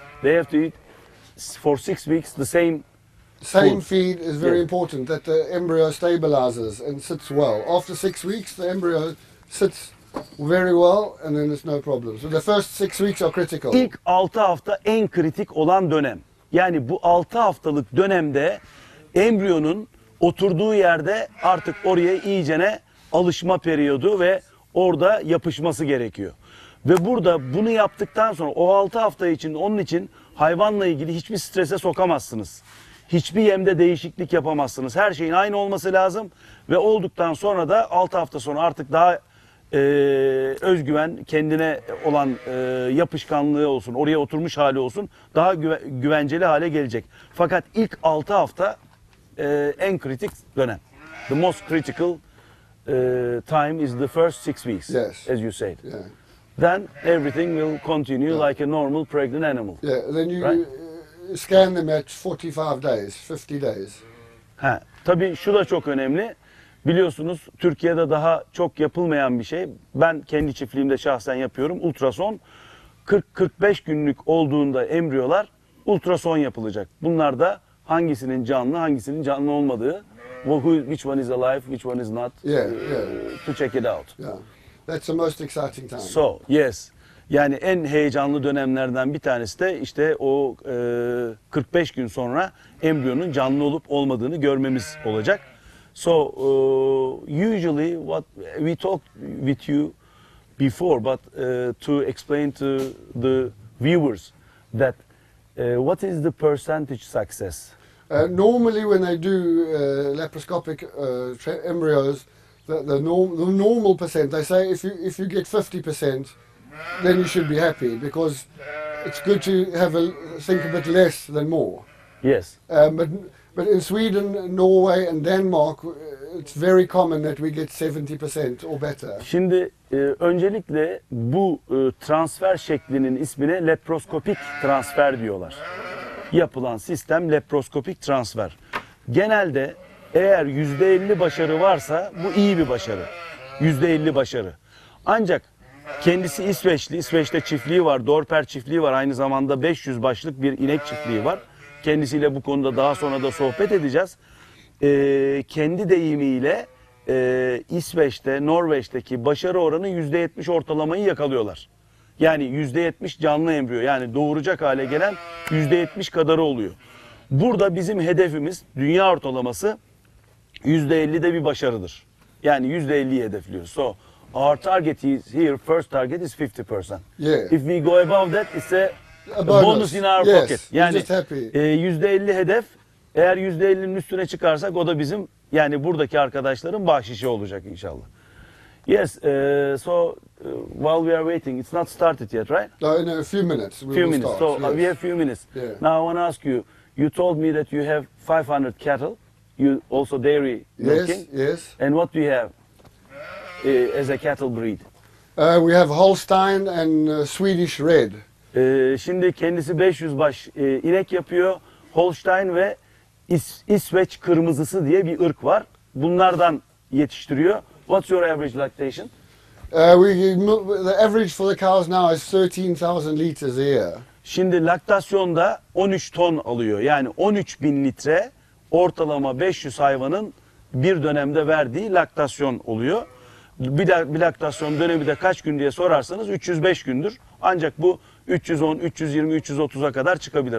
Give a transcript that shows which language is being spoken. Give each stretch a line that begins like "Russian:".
English: They have to eat for 6 weeks the same food. Same feed is very important that the embryo stabilizes and sits well. After 6 weeks the embryo sits very well and then there's no problem. So the first 6 weeks are critical.
Turkish: İlk 6 hafta en kritik olan dönem. Yani bu 6 haftalık dönemde embriyonun oturduğu yerde artık oraya iyicene alışma periyodu ve orada yapışması gerekiyor. Ve burada bunu yaptıktan sonra o 6 hafta için onun için hayvanla ilgili hiçbir strese sokamazsınız. Hiçbir yemde değişiklik yapamazsınız. Her şeyin aynı olması lazım ve olduktan sonra da 6 hafta sonra artık daha özgüven, kendine olan yapışkanlığı olsun, oraya oturmuş hali olsun, daha güvenceli hale gelecek. Fakat ilk 6 hafta en kritik dönem.
English: The most critical time is the first 6 weeks, yes, as you said. Yeah. Then everything will continue like a normal pregnant animal. Yeah, then you scan them at 45 days, 50 days.
Turkish: Ha, tabii şu da çok önemli. Biliyorsunuz Türkiye'de daha çok yapılmayan bir şey. Ben kendi çiftliğimde şahsen yapıyorum. Ultrason 40-45 günlük olduğunda embriyolar ultrason yapılacak. Bunlar da hangisinin canlı, hangisinin canlı olmadığı.
English: Which one is alive, which one is not. Yeah, yeah. To check it out. Yeah. That's the most exciting time. So, yes. Yani en heyecanlı dönemlerden bir tanesi de işte o 45 gün sonra embriyonun canlı olup olmadığını görmemiz olacak. So usually what we talked with you before, but to explain to the viewers that what is the percentage success? Normally when they do laparoscopic embryos, the normal percent, they say if you get 50%, then you should be happy because it's good to think a bit less than more. Yes. But in Sweden, Norway and Denmark, it's very common that we get 70% or better.
Turkish: Şimdi öncelikle bu transfer şeklinin ismine laparoskopik transfer diyorlar. Yapılan sistem laparoskopik transfer. Genelde eğer %50 başarı varsa bu iyi bir başarı. %50 başarı. Ancak kendisi İsveçli, İsveç'te çiftliği var, Dorper çiftliği var, aynı zamanda 500 başlık bir inek çiftliği var. Kendisiyle bu konuda daha sonra da sohbet edeceğiz. Kendi deyimiyle İsveç'te, Norveç'teki başarı oranı %70 ortalamayı yakalıyorlar. Yani %70 canlı embriyo, yani doğuracak hale gelen %70 kadarı oluyor. Burada bizim hedefimiz, dünya ortalaması %50'de bir başarıdır. Yani %50'yi hedefliyoruz.
English: So, our target is here, first target is 50%. Yeah. If we go above that, it's a bonus in our pocket.
Turkish: Yani %50 hedef, eğer %50'nin üstüne çıkarsak o da bizim, yani buradaki arkadaşların bahşişi olacak inşallah.
English: Yes, while we are waiting, it's not started yet, right? No, in a few minutes. We have a few minutes. Yeah. Now I want to ask you, you told me that you have 500 cattle, you also dairy milking. Yes, yes. And what do you have as a cattle breed? We have Holstein and Swedish Red.
Turkish: Şimdi kendisi 500 baş inek yapıyor. Holstein ve İsveç kırmızısı diye bir ırk var. Bunlardan yetiştiriyor.
English: What's your average lactation? The average for the cows now is 13,000 liters a year.
Turkish: Şimdi laktasyonda 13 ton alıyor. Yani 13.000 litre ortalama 500 hayvanın bir dönemde verdiği laktasyon oluyor. Bir laktasyon dönemi de kaç gün diye sorarsanız 305 gündür. Ancak bu 310, 320, 330'a kadar çıkabilir.